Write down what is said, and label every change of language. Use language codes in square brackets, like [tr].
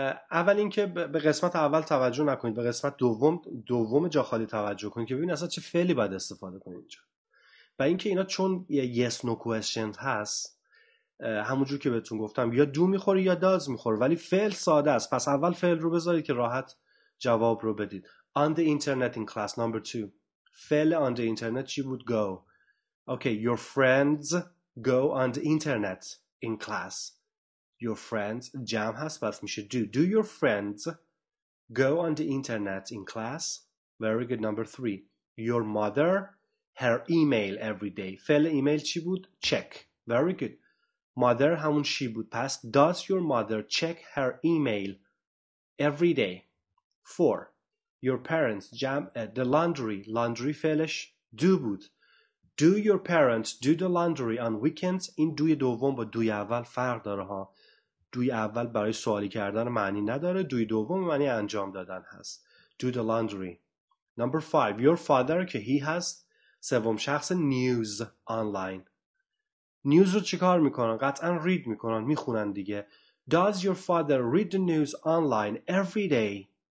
[fa] اول اینکه به قسمت اول توجه نکنید، به قسمت دوم جا خالی توجه کنید که ببینید اصلا چه فعلی باید استفاده کنید اینجا. و اینکه اینا چون یه [en] yes no question [fa] هست، همونجور که بهتون گفتم یا do میخوره یا does میخوره، ولی فعل ساده است. پس اول فعل رو بذارید که راحت جواب رو بدید. [en] On the internet in class number 2. [fa] فعل [en] on the internet [fa] چی بود؟ [en] go. Okay, your friends go on the internet in class. Your friends [fa] جمع هست پس میشه [en] do. Do your friends go on the internet in class? Very good. Number 3. Your mother her email every day. [fa] فعل ایمیل چی بود؟ [en] check. Very good. Mother [fa] همون شی بود پس [en] does your mother check her email every day? 4. Your parents jam the laundry. Laundry فعلش do بود. Do your parents do the laundry on weekends? [fa] این دوی دوم با دوی اول فرق داره ها. دوی اول برای سوالی کردن معنی نداره، دوی دوم معنی انجام دادن هست. [en] Do the laundry. Number 5. Your father [fa] که [en] he [fa] هست. سوم شخص [en] news online. [fa] نیوز رو چیکار میکنن؟ قطعاً رید میکنن، میخونن دیگه. [en] Does your father read the news online every day?